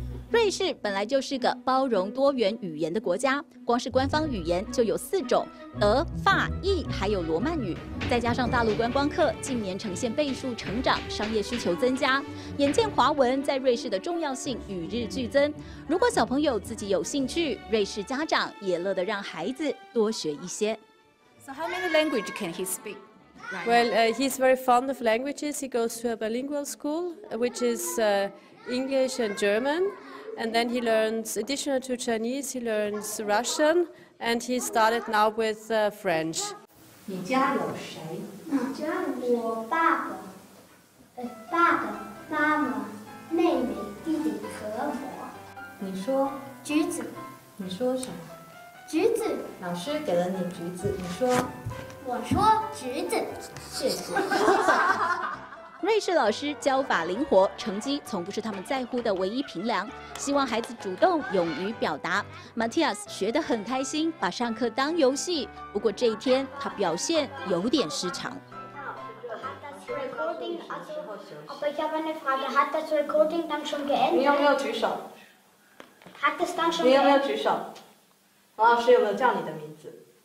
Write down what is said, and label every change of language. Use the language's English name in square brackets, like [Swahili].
[Chinese] 瑞士本来就是个包容多元语言的国家，光是官方语言就有四种，德、法、意还有罗曼语，再加上大陆观光客近年呈现倍数成长，商业需求增加，眼见华文在瑞士的重要性与日俱增。如果小朋友自己有兴趣，瑞士家长也乐得让孩子多学一些。 [English] So how many language can he speak? Well, he's very fond of languages. He goes to a bilingual school, which is English and German. And then he learns additional to Chinese, he learns Russian, and he started now with French. [Chinese] 你家有谁？你家有我爸爸、妈妈、妹妹、弟弟和我。你说橘子。你说什么？橘子。老师给了你橘子，你说。我说橘子。瑞士老师教法灵活，成绩从不是他们在乎的唯一评量，希望孩子主动勇于表达。 Matthias 学得很开心，把上课当游戏，不过这一天他表现有点失常。 [German] Hat das Recording, aber ich habe eine Frage, hat das Recording dann schon geendet? [Chinese] 你有没有举手？ [German] Hat das dann schon geendet? [Chinese] 你有没有举手？王老师有没有叫你的名字？